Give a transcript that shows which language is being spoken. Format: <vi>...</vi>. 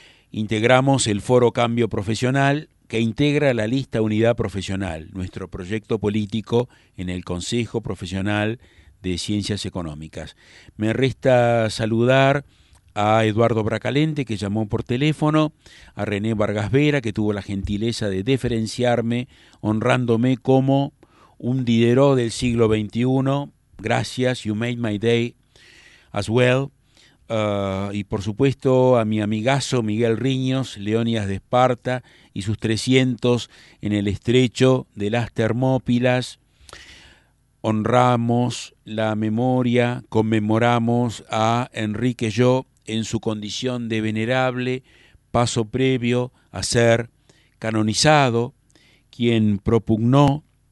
<es>Integramos el Foro Cambio Profesional, que integra la lista Unidad Profesional, nuestro proyecto político en el Consejo Profesional de Ciencias Económicas. Me resta saludar a Eduardo Bracalente, que llamó por teléfono, a René Vargas Vera, que tuvo la gentileza de deferenciarme, honrándome como un Diderot del siglo XXI. Gracias,</es> <en>you made my day as well.</en> <es>Y por supuesto a mi amigazo Miguel Riños, Leónidas de Esparta y sus 300 en el estrecho de las Termópilas. Honramos la memoria, conmemoramos a Enrique Yo en su condición de venerable, paso previo a ser canonizado, quien propugnó,</es>